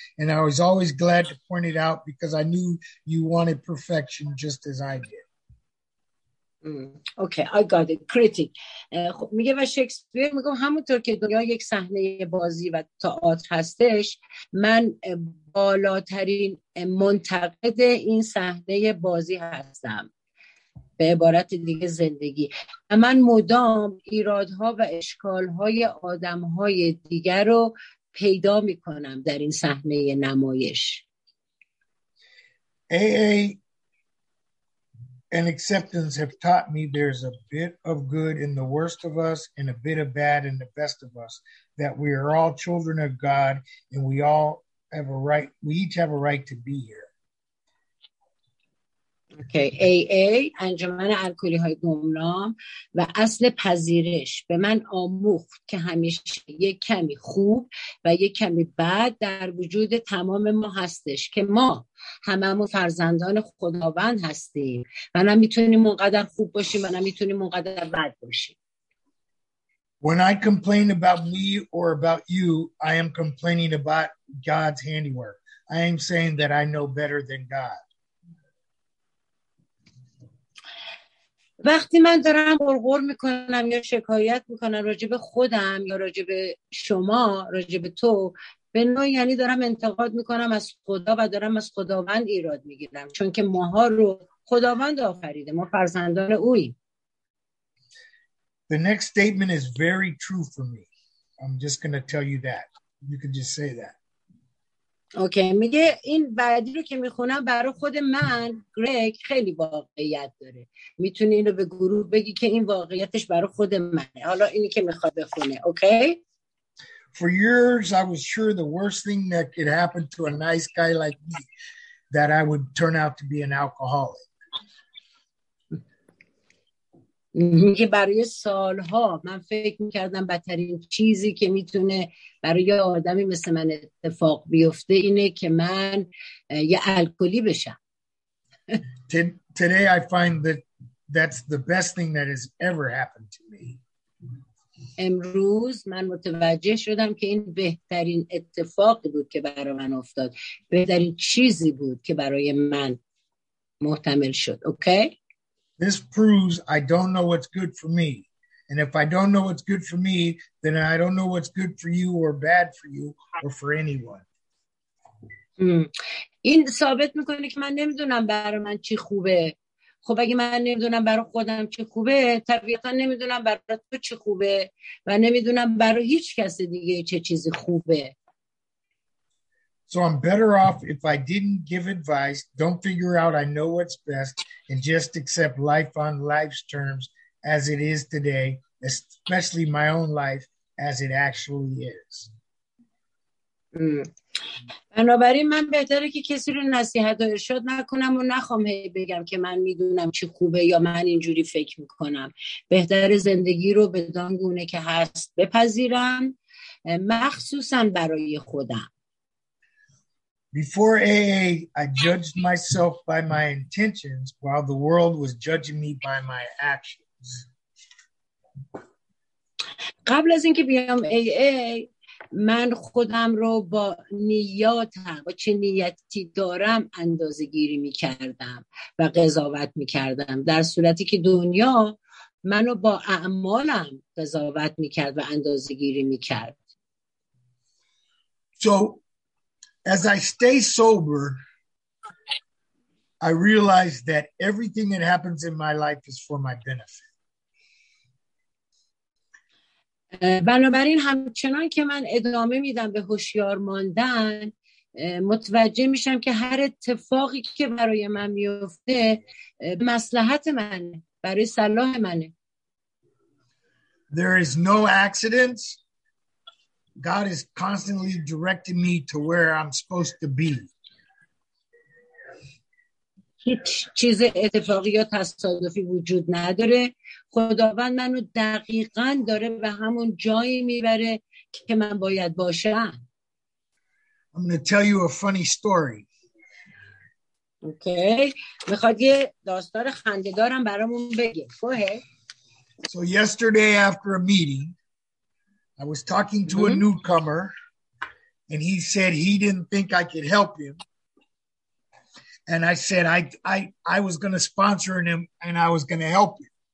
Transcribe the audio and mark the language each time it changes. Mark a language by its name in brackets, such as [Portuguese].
[English] And I was always glad to point it out because I knew you wanted perfection just as I did. Okay, I got it. Critic. [Persian] میگه و شکسپیر میگه همونطور که دنیا یک صحنه بازی و تئاتر هستش، من بالاترین منتقد این صحنه بازی هستم. به عبارت دیگه زندگی. من مدام ایرادها و اشکالهای آدمهای دیگر رو پیدا می کنم در این صحنه نمایش. [English] AA and acceptance have taught me there's a bit of good in the worst of us and a bit of bad in the best of us, that we are all children of God and we all have a right, we each have a right to be here. [Persian] اوکی AA انجمن الکلی های گمنام و اصل پذیرش به من آموخت که همیشه یک کمی خوب و یک کمی بد در وجود تمام ما هستش که ما هممون فرزندان خداوند هستیم و نمیتونیم اونقدر خوب باشیم و نمیتونیم اونقدر بد باشیم. [English] When I complain about me or about you, I am complaining about God's handiwork. I am saying that I know better than God. [Persian] وقتی من دارم غرغر میکنم یا شکایت میکنم راجب خودم یا راجب شما راجب تو به نوع یعنی دارم انتقاد میکنم از خدا و دارم از خداوند ایراد میگیرم چون که ماها رو خداوند آفریده ما فرزندان اوی. [English] The next statement is very true for me. I'm just going to tell you that. You can just say that. [Persian] اوکی میگه این بعدی رو که میخونم برای خود من گریگ خیلی واقعیت داره. میتونی اینو به گروه بگی که این واقعیتش برای خود منه. حالا اینی که میخواد بخونه. اوکی؟ [English] For years I was sure the worst thing that could happen to a nice guy like me that I would turn out to be an alcoholic. [Persian] میگه برای سالها من فکر میکردم بدترین چیزی که میتونه برای یه آدمی مثل من اتفاق بیفته اینه که من یه الکلی بشم. [English] Today I find that that's the best thing that has ever happened to me. [Persian] امروز من متوجه شدم که این بهترین اتفاقی بود که برای من افتاد. بهترین چیزی بود که برای من محتمل شد. اوکی؟ [English] This proves I don't know what's good for me. And if I don't know what's good for me, then I don't know what's good for you or bad for you or for anyone. [Persian] این ثابت میکنه که من نمیدونم برای من چی خوبه. خب اگه من نمیدونم برای خودم چی خوبه، طبیعتا نمیدونم برای تو چی خوبه و نمیدونم برای هیچ کس دیگه چه چیزی خوبه. [English] So I'm better off if I didn't give advice, don't figure out I know what's best, and just accept life on life's terms as it is today, especially my own life as it actually is. [Persian] بنابراین من بهتره که کسی رو نصیحت و ارشاد نکنم و نخوام هی بگم که من میدونم چی خوبه یا من اینجوری فکر میکنم. بهتر زندگی رو بدان گونه که هست بپذیرم، مخصوصا برای خودم. [English] Before AA, I judged myself by my intentions while the world was judging me by my actions. [Persian] قبل از اینکه بیام AA, من خودم رو با نیاتم، با چه نیتی دارم اندازه‌گیری می‌کردم و قضاوت می‌کردم، در صورتی که دنیا منو با اعمالم قضاوت می‌کرد و اندازه‌گیری می‌کرد. [English] So as I stay sober, I realize that everything that happens in my life is for my benefit. [Persian] بنابراین همچنان که من ادامه میدم به هوشیار ماندن، متوجه میشم که هر اتفاقی که برای من میفته به مصلحت منه، برای صلاح منه. [English] There is no accidents. God is constantly directing me to where I'm supposed to be. [Persian] هیچ چیز اتفاقی یا تصادفی وجود نداره. خداوند منو دقیقاً داره به همون جایی میبره که من باید باشم. [English] I'm going to tell you a funny story. Okay. [Persian] میخواد یه داستان خنده‌دارم برامون بگه. [English] Go ahead. So yesterday after a meeting, I was talking to a newcomer and he said he didn't think I could help him. And I said I was going to sponsor him and I was going to help him.